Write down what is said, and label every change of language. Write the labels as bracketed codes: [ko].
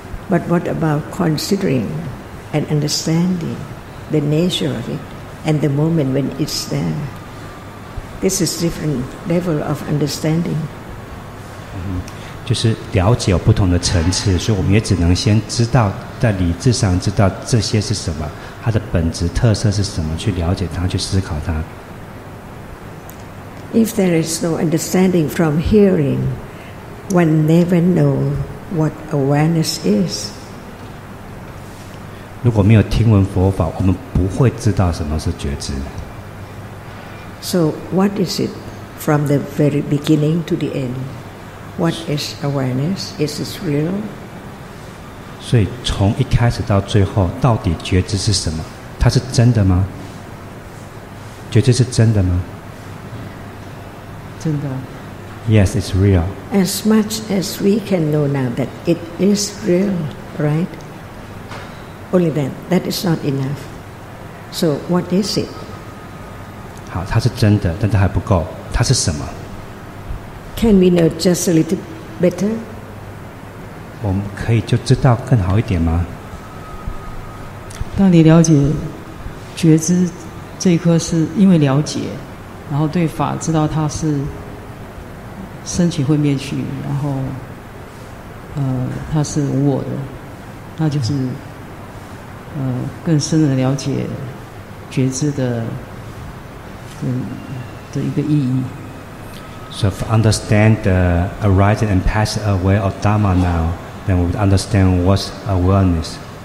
[en] But what about considering and understanding the nature of it and the moment when it's there? This is different level of understanding. [zh] 就是了解有不同的层次，所以我们也只能先知道，在理智上知道这些是什么，它的本质特色是什么，去了解它，去思考它。 [en] If there is no understanding from hearing, one never know. What awareness is? [zh] 如果没有听闻佛法，我们不会知道什么是觉知。 [en] So what is it from the very beginning to the end? What is awareness? Is it real? [zh] 所以从一开始到最后，到底觉知是什么？它是真的吗？觉知是真的吗？真的。 [en] Yes, it's real. As much as we can know now that it is real, right? Only then, that is not enough. So, what is it? [zh] 好，它是真的，但它还不够。它是什么？ [en] Can we know just a little better? [zh] 我们可以就知道更好一点吗？当你了解觉知这一颗，是因为了解，然后对法知道它是。生起会灭去，然后，它是无我的，那就是，更深的了解觉知的，的一个意义。 [en] So if understand the arising and passing away of Dhamma now, then we understand what's awareness.